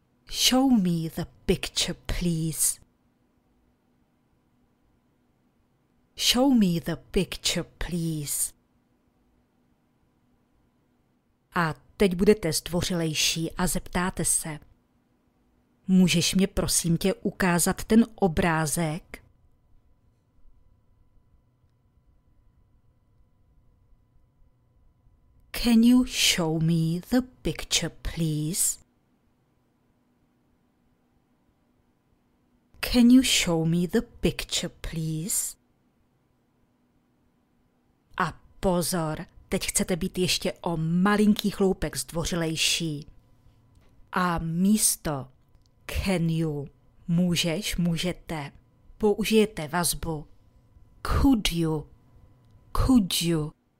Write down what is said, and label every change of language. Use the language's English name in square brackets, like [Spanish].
[English] Show me the picture, please. Show me the picture, please. [Czech] A teď budete zdvořilejší a zeptáte se. Můžeš mě prosím tě ukázat ten obrázek? [English] Can you show me the picture, please? Can you show me the picture, please? [Czech] A pozor, teď chcete být ještě o malinký chloupek zdvořilejší. A místo [English] can you, [Czech] můžeš, můžete, použijete vazbu [English] could you, could you.